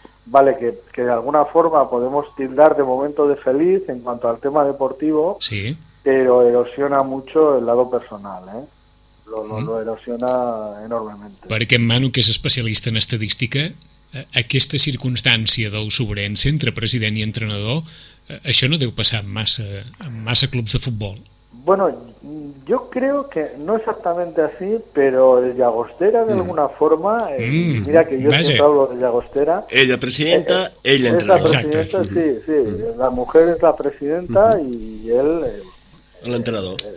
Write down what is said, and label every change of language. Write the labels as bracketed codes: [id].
[es] Vale, que de alguna forma podemos tildar de momento de feliz en cuanto al tema deportivo, sí, pero erosiona mucho el lado personal, ¿eh? Lo erosiona enormemente. [ca] Perquè en Manu, que és especialista en estadística, aquesta circumstància del Suburense entre president i entrenador, això no deu passar en massa clubs de futbol. [es] Bueno, yo creo que no exactamente así, pero el Llagostera de alguna forma, mira que yo siempre hablo de Llagostera. Ella presidenta, ella entrenador. Es la presidenta, sí. La mujer es la presidenta y él... El entrenador.